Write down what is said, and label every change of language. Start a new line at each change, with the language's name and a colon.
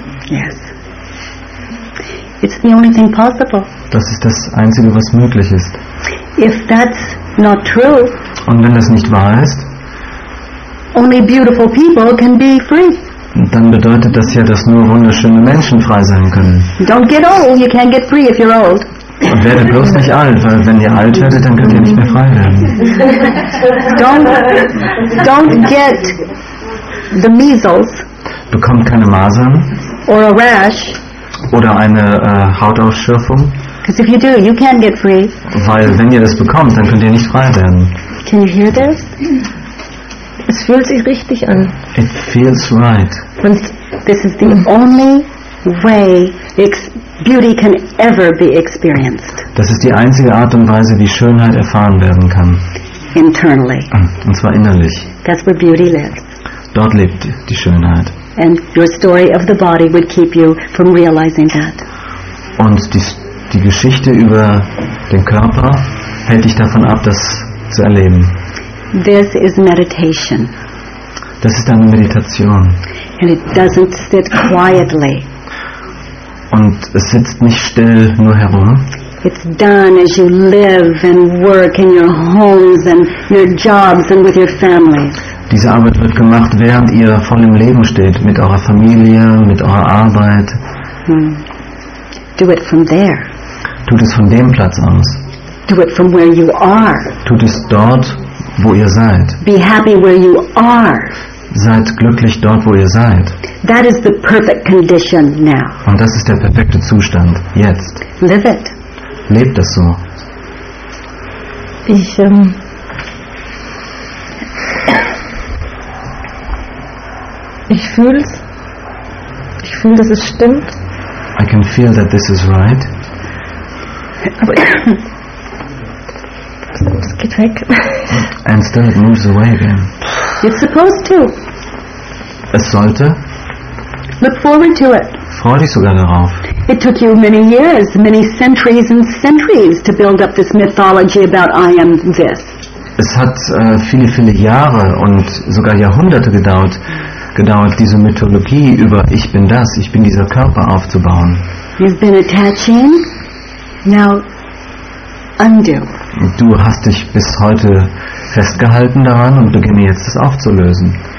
English: Yes. It's the only thing possible.
German: Das ist das Einzige, was möglich ist.
English: If that's not true.
German: Und wenn das nicht wahr ist.
English: Only beautiful people can be free.
German: Dann bedeutet das ja, dass nur wunderschöne Menschen frei sein können.
English: Don't get old, you can't get free if you're old.
German: Und werdet bloß nicht alt, weil wenn ihr alt werdet, dann könnt ihr nicht mehr frei werden.
English: Don't get the measles.
German: Bekommt keine Masern.
English: Or a rash.
German: Oder eine Hautausschürfung.
English: Because if you do, you can get free.
German: Weil wenn ihr das bekommt, dann könnt ihr nicht frei werden.
English: Can you hear this?
German: Es fühlt sich richtig an.
English: It feels right. And this is the only way beauty can ever be experienced.
German: Das ist die einzige Art und Weise, wie Schönheit erfahren werden kann.
English: Internally.
German: Und zwar innerlich.
English: That's where beauty lives.
German: Dort lebt die Schönheit.
English: And your story of the body would keep you from realizing that.
German: Und die Geschichte über den Körper hält dich davon ab, das zu erleben.
English: This is meditation.
German: Das ist eine Meditation.
English: And it doesn't sit quietly.
German: Und es sitzt nicht still nur herum.
English: It's done as you live and work in your homes and your jobs and with your family.
German: Diese Arbeit wird gemacht, während ihr voll im Leben steht, mit eurer Familie, mit eurer Arbeit.
English: Do it from there.
German: Tut es von dem Platz aus.
English: Do it from where you are.
German: Tut es dort, wo ihr seid.
English: Be happy where you are.
German: Seid glücklich dort, wo ihr seid.
English: That is the perfect condition now.
German: Und das ist der perfekte Zustand jetzt.
English: Live it.
German: Lebt das so. Ich fühl's. Ich fühl, dass es stimmt.
English: I can feel that this is right.
German: Es geht weg.
English: And still it moves away again. It's supposed to.
German: Es sollte.
English: Look forward to it.
German: Freu dich sogar darauf.
English: It took you many years, many centuries and centuries to build up this mythology about I am this.
German: es hat viele, viele Jahre und sogar Jahrhunderte gedauert, diese Mythologie über Ich bin das, ich bin dieser Körper aufzubauen.
English: You've been attaching, now undo.
German: Du hast dich bis heute festgehalten daran und beginne jetzt es aufzulösen.